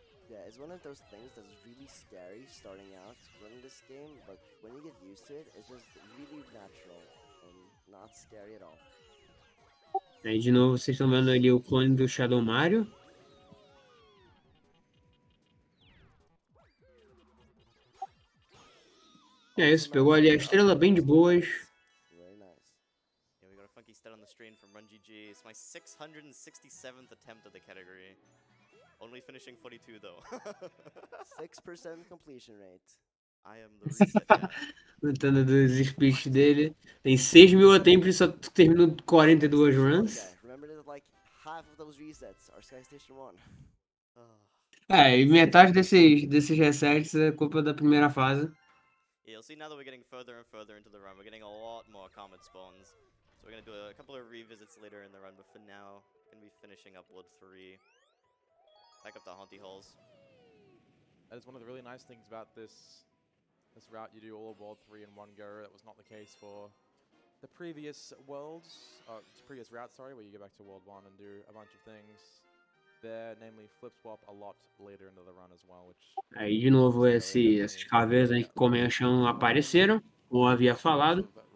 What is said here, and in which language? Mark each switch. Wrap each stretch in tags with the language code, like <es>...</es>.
<en>Yeah, it's one of those things that's really scary starting out running this game, but when you get used to it, it's just really natural and not scary at all.</en> <pt>Aí de novo, vocês estão vendo ali o clone do Shadow Mario. É isso, pegou ali a estrela bem de boas.</pt> <en>Very nice. Yeah, we got a funky stat on the screen from RunGG. It's my 667th attempt at the category. Only finishing 42 though. 6% completion rate. I am the reset.</en> <pt>Lutando dos speech dele. Tem 6 mil attempts e só terminou 42 runs.</pt> <en>Okay. Remember that like half of those resets are Sky Station 1.</en> <pt>É, e metade desses resets é culpa da primeira fase.</pt> <en>Yeah, you'll see now that we're getting further and further into the run, we're getting a lot more comet spawns. So we're gonna do a couple of revisits later in the run, but for now, we're gonna be finishing up World 3. Back up the haunty holes. That is one of the really nice things about this route. You do all of World 3 in one go. That was not the case for the previous worlds, previous route, sorry, where you go back to World 1 and do a bunch of things there, namely flip swap a lot later into the run as well. Which</en> <pt>aí de novo esses caveiros aí que comem o chão apareceram, como eu havia falado.</pt>